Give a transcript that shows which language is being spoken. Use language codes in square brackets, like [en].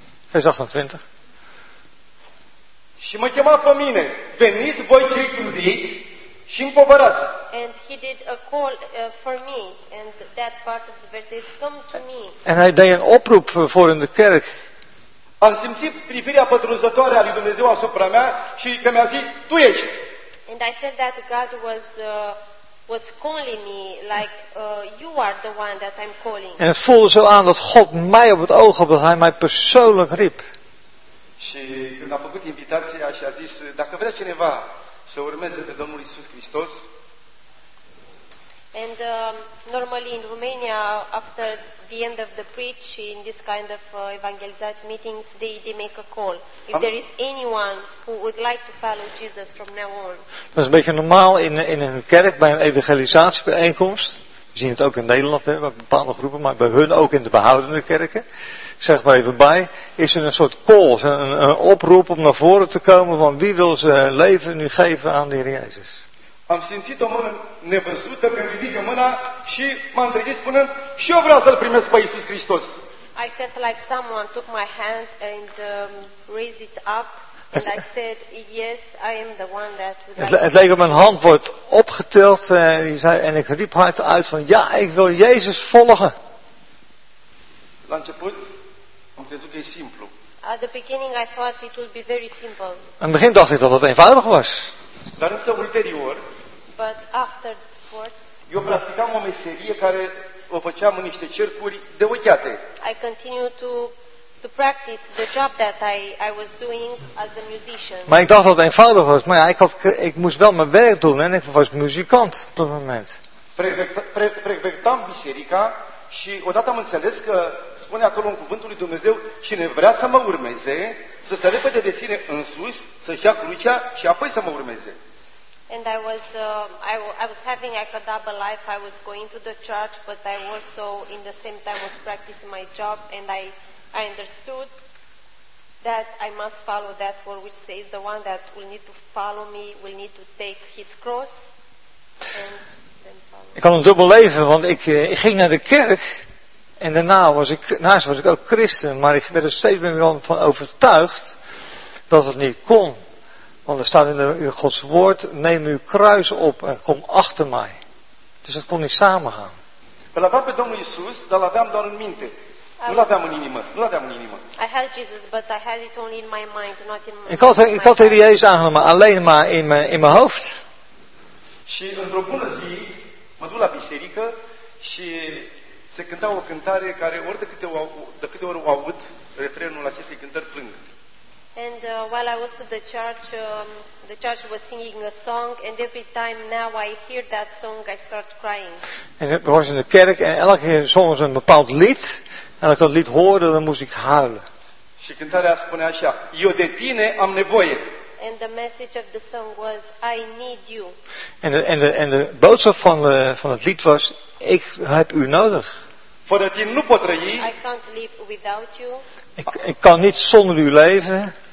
[ro] Vers 28. Și mă chema pe mine, veniți voi cei trudiți și împovărați. [en] And he did a call for me, and that part of the verse is come to me. [nl] En hij deed een oproep voor in de kerk. [ro] Am simțit privirea pătrunzătoare a lui Dumnezeu asupra mea și că mi-a zis, tu ești. [en] And I felt that God was calling me, like you are the one that I'm calling. [nl] En het voelde zo aan dat God mij op het oog had, dat hij mij persoonlijk riep. [ro] Și când a făcut invitația și a zis, dacă vrea cineva să urmeze pe Domnul Iisus Hristos. [en] And normally in Romania, after the end of the preach, in this kind of evangelization meetings, they make a call. If there is anyone who would like to follow Jesus from now on. [nl] Dat is een beetje normaal in een kerk, bij een evangelisatiebijeenkomst. We zien het ook in Nederland, hè, bij bepaalde groepen, maar bij hun ook in de behoudende kerken. Zeg maar even bij, is er een soort call, een oproep om naar voren te komen van wie wil ze leven nu geven aan de Heer Jezus. [ro] Am simțit o mână nevăzută când ridică mâna și m-am trezit spunând și eu vreau să-L primesc pe Iisus Hristos. [en] I felt like someone took my hand and raised it up and I said yes, I am the one that would like. [nl] Het leek op mijn hand wordt opgetild en ik riep hard uit van ja, ik wil Jezus volgen. [ro] La început am crezut că e simplu. [en] At the beginning I thought it would be very simple. [nl] In het begin dacht ik dat het eenvoudig was. [ro] Dar însă ulterior, [en] but afterwards, [ro] eu practicam o meserie care o făceam în niște cercuri de ochiate. [en] I continued to practice the job that I was doing as a musician. [nl] Maar ik dacht dat het eenvoudig was, maar ja, ik moest wel mijn werk doen en ik was muzikant op dat moment. [ro] Frecventam biserica și odată am înțeles că spune acolo în cuvântul lui Dumnezeu cine vrea să mă urmeze să se repede de sine însuși, să-și ia crucea și apoi să mă urmeze. [en] And I was having like a double life. I was going to the church, but I also in the same time was practicing my job, and I understood that I must follow that word which says the one that will need to follow me will need to take his cross and [nl] ik had een dubbel leven, want ik ging naar de kerk en daarna was ik ook christen, maar ik werd er steeds meer van overtuigd dat het niet kon. Want er staat in Gods woord, neem uw kruis op en kom achter mij. Dus dat kon niet samengaan. [ro] Wel, ik had bij Domnul Iisus, dan had ik maar in minte. [en] I had Jesus, but I had it only in my mind, not in my [nl] Ik had de Jezus aangenomen, alleen maar in mijn hoofd. [ro] Și într-o bună zi, mă duc la biserică și se cânta o cântare care ori de câte ori o aud, refrenul acestei cântări plâng. [en] And while I was to the church was singing a song and every time now I hear that song I start crying. [nl] En we waren in de kerk en elke keer zong ze een bepaald lied en als ik dat lied hoorde dan moest ik huilen. [ro] Și cântarea spune așa: eu de tine am nevoie. [en] And the message of the song was I need you. [nl] En de boodschap van het lied was ik heb u nodig. [ro] Voordat je nu pot trăi. [en] I can't live without you. [nl] Ik kan niet zonder u leven.